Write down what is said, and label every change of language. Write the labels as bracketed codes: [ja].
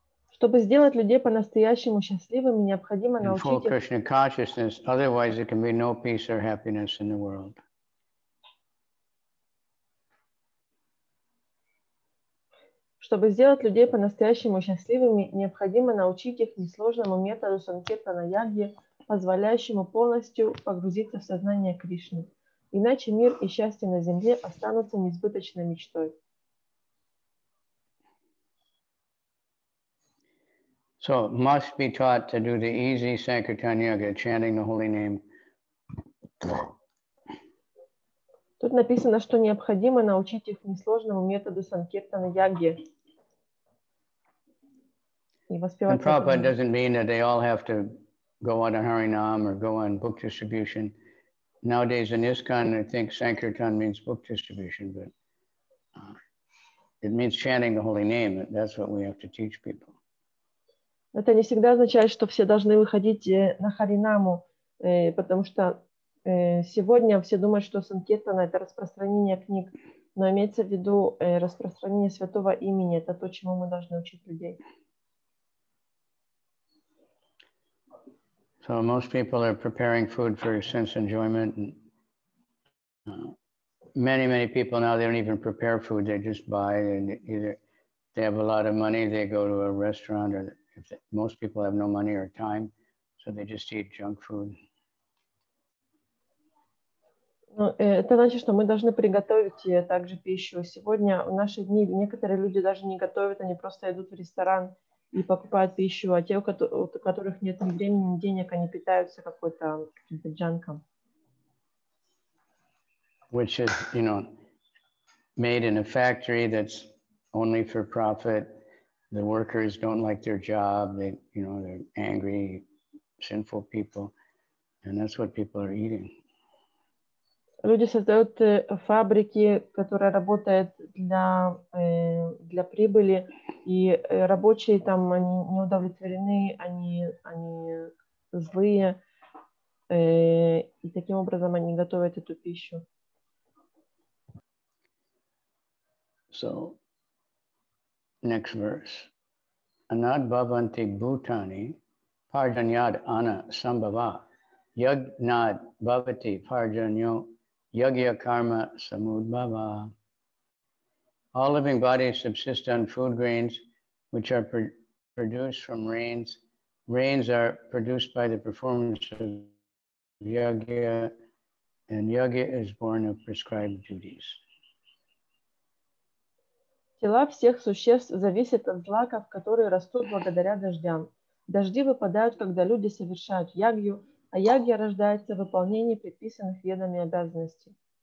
[ru] Чтобы сделать людей по-настоящему счастливыми, необходимо [en] in [ru] научить [en] full Krishna consciousness, otherwise there can be no peace or happiness in the world. [ru] Чтобы сделать людей по-настоящему счастливыми, необходимо научить их несложному методу санкиртана-яги, позволяющему полностью погрузиться в сознание Кришны. Иначе мир и счастье на земле останутся несбыточной мечтой. [en] So, must be taught to do the easy sankirtana-yoga, chanting the holy name. [ru] Тут написано, что необходимо научить их несложному методу санкиртана-яги. [en] And Prabhupada doesn't mean that they all have to go on a Harinam or go on book distribution. Nowadays in ISKCON, I think Sankirtan means book distribution, but it means chanting the holy name. That's what we have to teach people. [ru] Это не всегда означает, что все должны выходить на Харинаму, потому что сегодня все думают, что Санкиртана – это распространение книг, но имеется в виду распространение святого имени. Это то, чему мы должны учить людей. [en] So most people are preparing food for sense enjoyment. And, many, many people now, they don't even prepare food. They just buy and either they have a lot of money, they go to a restaurant, or if they, most people have no money or time, so they just eat junk food. [ru] Это значит, что мы должны приготовить также пищу. Сегодня, в наши дни, некоторые люди даже не готовят, они просто идут в ресторан и покупают пищу, а те, у которых нет ни времени, ни денег, они питаются какой-то джанком. [en] Which is, you know, made in a factory that's only for profit. the workers don't like their job, they, you know, they're angry, sinful people, and that's what people are eating. [ru] Люди создают фабрики, которые работают для, для прибыли, и рабочие там, они не удовлетворены, они, они злые, и таким образом они готовят эту пищу. [en] So, next verse. [sa] Anad bhavanti bhutani parjanyad ana sambhava yagnad bhavati parjanyo Yagya karma samudbhava. [en] All living bodies subsist on food grains, which are produced from rains. Rains are produced by the performance of yagya, and yagya is born of prescribed duties. [ru] Тела всех существ зависят от злаков, которые растут благодаря дождям. Дожди выпадают, когда люди совершают ягью, а ягья рождается в выполнении предписанных ведами обязанностей.